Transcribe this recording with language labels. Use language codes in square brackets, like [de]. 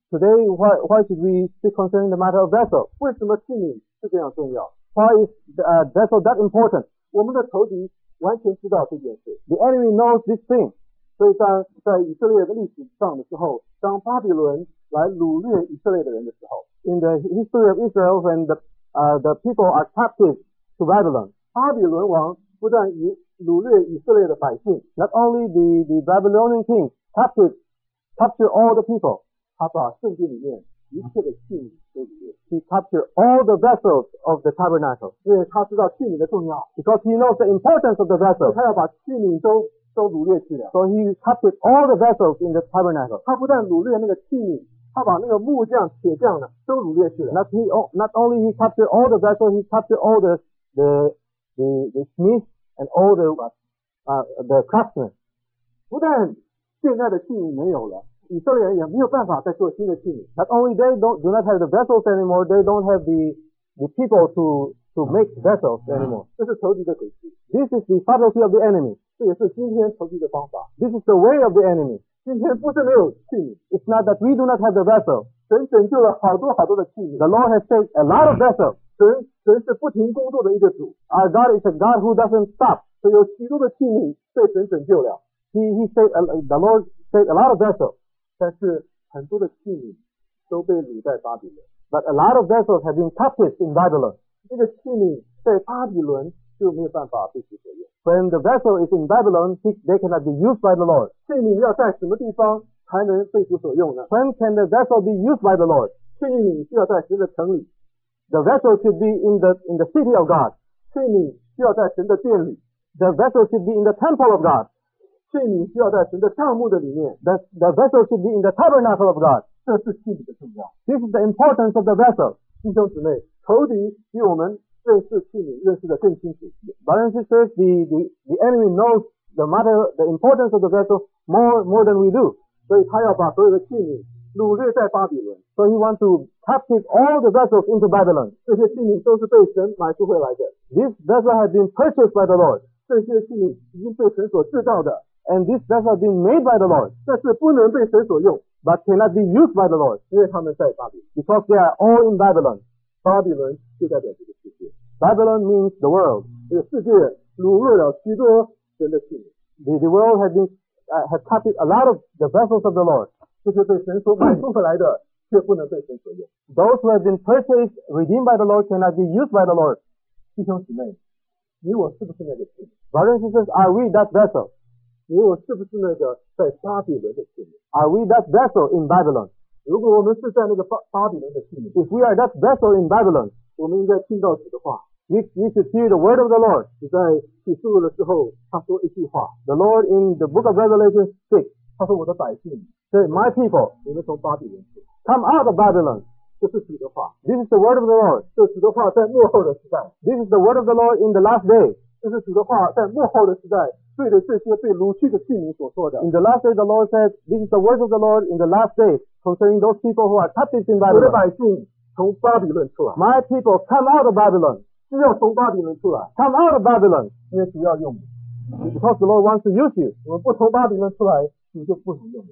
[en] Today why should we speak concerning the matter of vessel? [zh] 为什么器皿是这样重要 [en] ？Why is the vessel that important? [zh] 我们的仇敌完全知道这件事。 [en] The enemy knows this thing. [zh] 所以当在以色列的历史上的时候，当巴比伦来掳掠以色列的人的时候 [en] ，In the history of Israel when the people are captive to Babylon. [zh] 巴比伦王不但掳掠以色列的百姓 [en] ，not only the Babylonian king captured all the people. [zh] 他把圣殿里面一切的器皿都掳掠。 [en] He captured all the vessels of the tabernacle. [zh] 因为他知道器皿的重要。 [en] Because he knows the importance of the vessel. [zh] 他要把器皿都掳掠去了。 [en] So he captured all the vessels in the tabernacle. [zh] 他不但掳掠那个器皿，他把那个木匠、铁匠呢，都掳掠去了。 [en] Not only he captured all the vessels, he captured all the smiths and all the craftsmen. [zh] 不但现在的器皿没有了。以色列人也没有办法再做新的器皿。 [en] Not only they do not have the vessels anymore, they don't have the people to make vessels anymore. [zh] 这是仇敌的诡计。 [en] This is the subtlety of the enemy. [zh] 这也是今天仇敌的方法。 [en] This is the way of the enemy. [zh] 今天不是没有器皿。 [en] It's not that we do not have the vessel. [zh] 神拯救了好多好多的器皿。 [en] The Lord has saved a lot of vessels. [zh] 神是不停工作的一个主。 [en] Our God is a God who doesn't stop. [zh] 所以有许多的器皿被神拯救了。 [en] He saved the Lord saved a lot of vessels. [zh] 但是很多的器皿都被掳在巴比伦。 [en] But a lot of vessels have been captive in Babylon. [zh] 这个器皿在巴比伦就没有办法被使用。 [en] When the vessel is in Babylon, they cannot be used by the Lord. [zh] 器皿要在什么地方才能被主所用呢？ [en] When can the vessel be used by the Lord? [zh] 器皿需要在神的城里。 [en] The vessel should be in the city of God. [zh] 器皿需要在神的殿里。 [en] The vessel should be in the temple of God. [zh] 器皿需要在神的帐幕的里面。 [en] The vessel should be in the tabernacle of God. [zh] 这是器皿的重要。 [en] This is the importance of the vessel. [zh] 弟兄姊妹，仇敌比我们认识器皿认识的更清楚。 [en] Brothers and sisters, the enemy knows the matter, the importance of the vessel more than we do. [zh] 所以他要把所有的器皿掳掠在巴比伦。 [en] So he wants to captive all the vessels into Babylon. [zh] 这些器皿都是被神买赎回来的。 [en] This vessel has been purchased by the Lord. [zh] 这些器皿已经被神所制造的。 [en] And this vessel has been made by the Lord. [zh] 但是不能被神所用 [en] but cannot be used by the Lord. [zh] 因为他们在巴比伦 [en] because they are all in Babylon. [zh] 巴比伦就代表这个世界。 [en] Babylon means the world. [zh] 这个世界掳掠了许多神的器皿。 [en] The world has captured a lot of the vessels of the Lord. [zh] 这些被神所买回来的却不能被神所用。 [en] Those who have been purchased, redeemed by the Lord, cannot be used by the Lord. [zh] 弟兄姊妹，你我是不是那个器皿？ [en] Brothers and sisters, are we that vessel? [zh] 你我是不是那个在巴比伦的器皿？ [en] Are we that vessel in Babylon? [zh] 如果我们是在那个巴比伦的器皿， [en] If we are that vessel in Babylon, [zh] 我们应该听到主的话。 [en] We should hear the word of the Lord. [zh] 你在启示录的时候，他说一句话。 [en] The Lord in the book of Revelation 6, [zh] 他说我的百姓， [en] Say, my people, [zh] 你们从巴比伦出来。 [en] Come out of Babylon. [zh] 这是主的话。 [en] This is the word of the Lord. [zh] 这主的话在末后的时代。 [en] This is the word of the Lord in the last day. [zh] 这是主的话在末后的时代。对着这些被掳去的器皿所说的。 [en] In the last day, the Lord said, "This is the word of the Lord in the last day concerning those people who are captive in Babylon." [zh] 我的百姓从巴比伦出来。 [en] My people, come out of Babylon. [zh] 是要从巴比伦出来。 [en] Come out of Babylon. [zh] 因为主要用你。 [en] Because the Lord wants to use you. [zh] 我们不从巴比伦出来，主就不能用。